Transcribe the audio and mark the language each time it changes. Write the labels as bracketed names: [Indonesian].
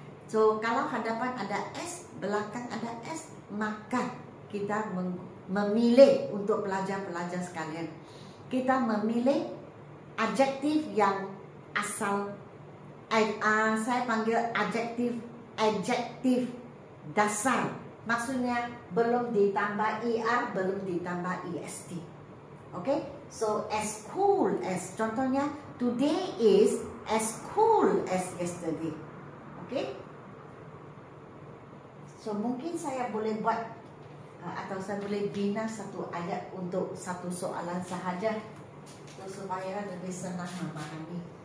[Malay] So kalau hadapan ada S, belakang ada S, maka kita memilih untuk pelajar-pelajar sekalian, kita memilih adjektif yang asal, saya panggil adjektif, adjektif dasar. Maksudnya belum ditambah ER, belum ditambah EST. [English] Okay, so as cool as, [Malay] contohnya [English] today is as cool as yesterday. [Malay] Okay, so mungkin saya boleh buat atau saya boleh bina satu ayat untuk satu soalan sahaja so, supaya lebih senang memahami.